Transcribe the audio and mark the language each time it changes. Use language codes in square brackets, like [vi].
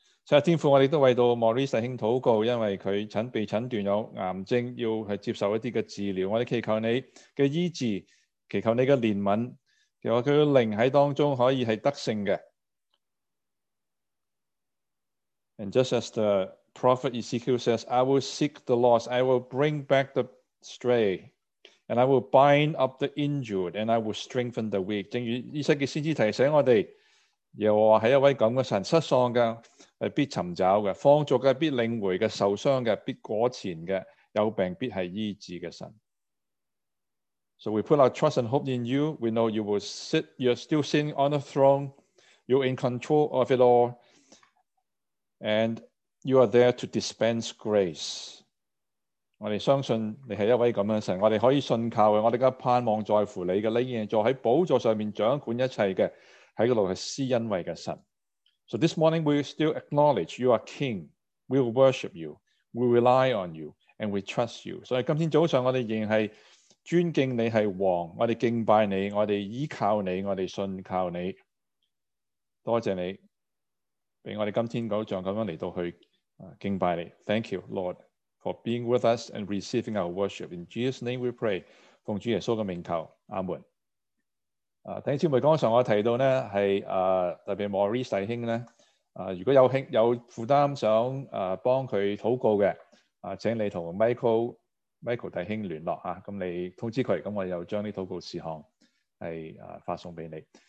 [zh] 所以天父，我们都为到 Maurice 弟兄祷告，因为他被诊断有癌症，要去接受一些治疗。我们祈求你的医治，祈求你的怜悯，祈求他的灵在当中可以是得胜的。 [en] And just as the prophet Ezekiel says, I will seek the lost, I will bring back the stray, and I will bind up the injured, and I will strengthen the weak. [zh] 正如以西结先知提醒我们，耶和华是一位这样的神，失丧的必寻找的，放逐的必领回的，受伤的必果前的，有病必是医治的神。 [en] So we put our trust and hope in you. We know you will sit, you're still sitting on the throne, you're in control of it all, and you are there to dispense grace. [zh] 我们相信你是一位这样的神，我们可以信靠的，我们的盼望在乎你的，你仍然坐在宝座上面掌管一切的，在那里是施恩惠的神。 [en] So this morning we still acknowledge you are king, we will worship you, we rely on you, and we trust you. [zh] 所以今天早上我们仍然是尊敬你是王，我们敬拜你，我们依靠你，我们信靠你。多谢你让我们今天早上这样来到去敬拜你。 [en] Thank you, Lord, for being with us and receiving our worship. In Jesus' name we pray, [zh] 奉主耶稣的名求，阿门。弟兄姊妹，刚才我提到呢，是特别 Maurice 弟兄呢，如果有负担想帮他祷告的，请你和 Michael 弟兄联络，你通知他，我又将这祷告事项发送给你。